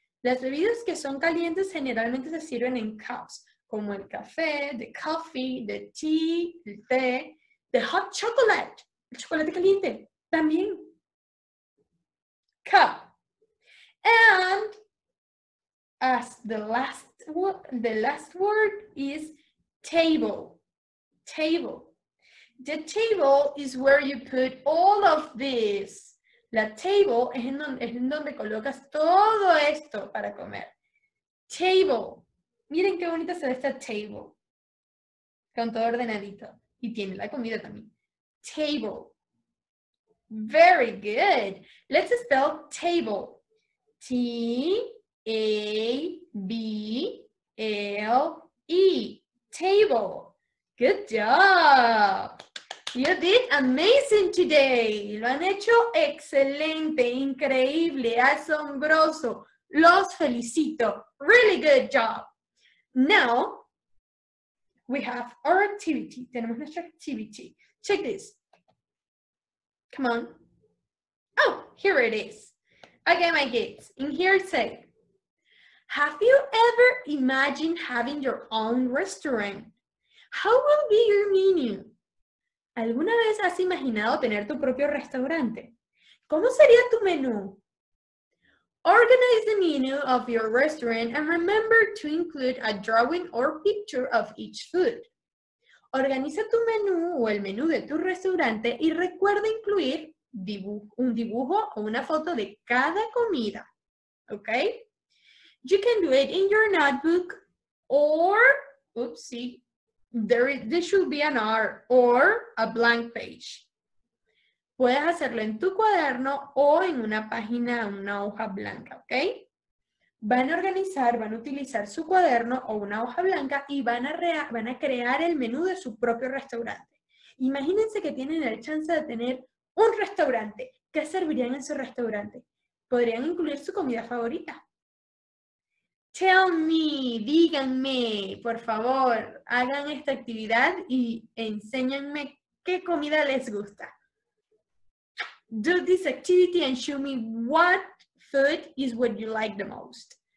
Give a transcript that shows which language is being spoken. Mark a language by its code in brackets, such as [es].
[es] Las bebidas que son calientes generalmente se sirven en cups, como el café, the coffee, the tea, el té, the hot chocolate, el chocolate caliente, también. Cup. [en] And as the last word is table. Table. The table is where you put all of this. [es] La table es en donde colocas todo esto para comer. Table. Miren qué bonita se ve esta table. Con todo ordenadito. Y tiene la comida también. Table. Very good. [en] Let's spell table. T-A-B-L-E. Table. Good job. You did amazing today. [es] Lo han hecho excelente, increíble, asombroso. [en] Los felicito. [es] Really good job. Now, we have our activity. Tenemos nuestra activity. Check this. Come on. [en] Oh, here it is. Okay, my kids. In here it says, have you ever imagined having your own restaurant? How will be your menu? [es] ¿Alguna vez has imaginado tener tu propio restaurante? ¿Cómo sería tu menú? [en] Organize the menu of your restaurant and remember to include a drawing or picture of each food. [es] Organiza tu menú o el menú de tu restaurante y recuerda incluir un dibujo o una foto de cada comida. ¿Ok? [en] You can do it in your notebook or... Oopsie. This should be an R or a blank page. [es] Puedes hacerlo en tu cuaderno o en una página, una hoja blanca, ¿ok? Van a organizar, van a utilizar su cuaderno o una hoja blanca y van a crear el menú de su propio restaurante. Imagínense que tienen la chance de tener un restaurante. ¿Qué servirían en su restaurante? Podrían incluir su comida favorita. Tell me, [en] díganme, por favor, hagan esta actividad y enséñenme qué comida les gusta. Do this activity and show me what food is what you like the most.